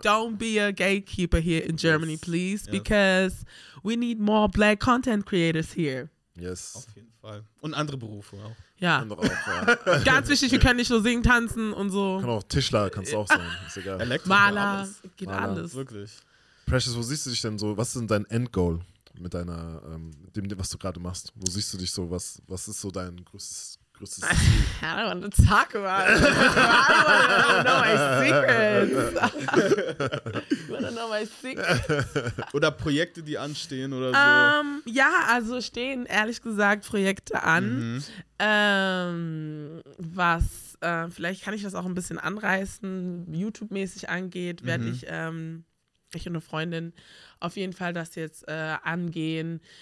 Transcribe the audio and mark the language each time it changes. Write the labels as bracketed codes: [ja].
[en] Don't be a gatekeeper here in Germany, please. Yes. Because we need more black content creators here. Yes. [de] Auf jeden Fall. Und andere Berufe auch. Ja. Ganz wichtig, wir können nicht nur singen, tanzen und so. Kann auch Tischler, kannst du auch sein. Ist egal. Elektro, Maler, geht Maler. Alles. Wirklich. Precious, wo siehst du dich denn so? Was ist denn dein Endgoal mit deiner, dem, was du gerade machst? Wo siehst du dich so? Was ist so dein größtes Ziel? [en] I don't want to talk about it. I don't want to know my secrets. [de] Oder Projekte, die anstehen oder so? Ja, also stehen ehrlich gesagt Projekte an. Mhm. Vielleicht kann ich das auch ein bisschen anreißen, YouTube-mäßig angeht, werde ich. Ich und eine Freundin auf jeden Fall das jetzt angehen.